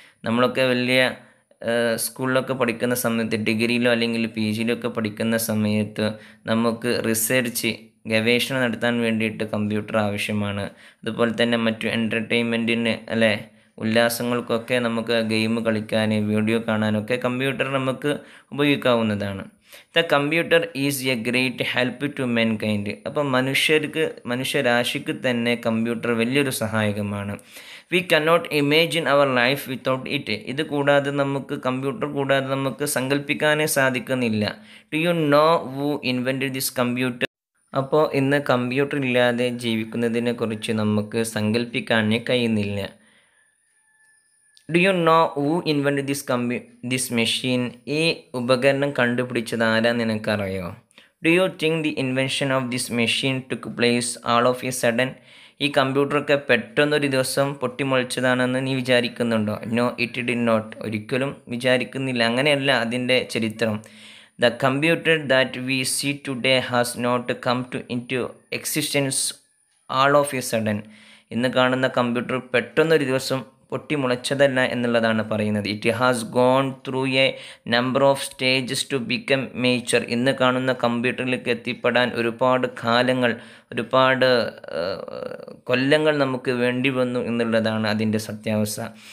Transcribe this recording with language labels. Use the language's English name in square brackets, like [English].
[Malayalam] നമ്മളൊക്കെ വലിയ സ്കൂളിലൊക്കെ പഠിക്കുന്ന സമയത്ത്, ഡിഗ്രിയിലോ അല്ലെങ്കിൽ പി ജിയിലൊക്കെ പഠിക്കുന്ന സമയത്ത് നമുക്ക് റിസർച്ച്, ഗവേഷണം നടത്താൻ വേണ്ടിയിട്ട് കമ്പ്യൂട്ടർ ആവശ്യമാണ്. അതുപോലെ തന്നെ മറ്റു എൻ്റർടൈൻമെൻറ്റിന് അല്ലേ, ഉല്ലാസങ്ങൾക്കൊക്കെ നമുക്ക് ഗെയിം കളിക്കാൻ, വീഡിയോ കാണാനൊക്കെ കമ്പ്യൂട്ടർ നമുക്ക് ഉപയോഗിക്കാവുന്നതാണ്. [English] The computer is a great help to mankind. [Malayalam] അപ്പോൾ മനുഷ്യർക്ക് മനുഷ്യരാശിക്ക് തന്നെ കമ്പ്യൂട്ടർ വലിയൊരു സഹായകമാണ്. [English] We cannot imagine our life without it. [Malayalam] ഇത് കൂടാതെ നമുക്ക് കമ്പ്യൂട്ടർ കൂടാതെ നമുക്ക് സങ്കല്പിക്കാനേ സാധിക്കുന്നില്ല. [English] Do you know who invented this computer? [Malayalam] അപ്പോൾ ഇന്ന് കമ്പ്യൂട്ടർ ഇല്ലാതെ ജീവിക്കുന്നതിനെ കുറിച്ച് നമുക്ക് സങ്കല്പിക്കാനേ കഴിയുന്നില്ല. [English] Do you know who invented this machine? [Malayalam] ഈ ഉപകരണം കണ്ടുപിടിച്ചത് ആരാ നിനക്കറിയോ? [English] Do you think the invention of this machine took place all of a sudden? [Malayalam] ഈ കമ്പ്യൂട്ടറൊക്കെ പെട്ടെന്നൊരു ദിവസം പൊട്ടിമുളച്ചതാണെന്ന് നീ വിചാരിക്കുന്നുണ്ടോ? [English] No, it did not. [Malayalam] ഒരിക്കലും വിചാരിക്കുന്നില്ല. അങ്ങനെയല്ല അതിൻ്റെ ചരിത്രം. [English] The computer that we see today has not come into existence all of a sudden. [Malayalam] ഇന്ന് കാണുന്ന കമ്പ്യൂട്ടർ പെട്ടെന്നൊരു ദിവസം പൊട്ടി മുളച്ചതല്ല എന്നുള്ളതാണ് പറയുന്നത്. [English] It has gone through a number of stages to become mature. [Malayalam] ഇന്ന് കാണുന്ന കമ്പ്യൂട്ടറിലേക്ക് എത്തിപ്പെടാൻ ഒരുപാട് കാലങ്ങൾ ഒരുപാട് കൊല്ലങ്ങൾ നമുക്ക് വേണ്ടി വന്നു എന്നുള്ളതാണ് അതിൻ്റെ സത്യാവസ്ഥ.